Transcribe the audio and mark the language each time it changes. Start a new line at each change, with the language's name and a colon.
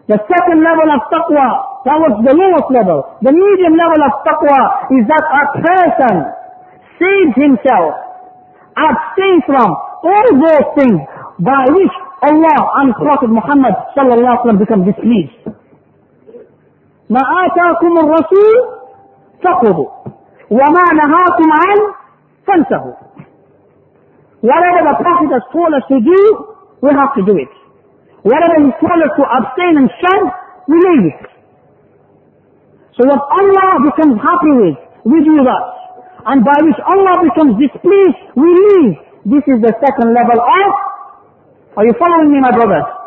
English: The second level of taqwa, that was the lowest level. The medium level of taqwa is that a person saves himself, abstains from all those things by which Allah and Prophet Muhammad sallallahu alaihi wasallam become displeased.
Arabic: ما آتاكم الرسول فخذوا وما نهاكم عنه فانتهوا.
English: Whatever the Prophet has told us to do, we have to do it. Whatever he told us to abstain and shun, we leave it. So what Allah becomes happy with, we do that. And by which Allah becomes displeased, we leave. This is the second level of, are you following me, my brothers?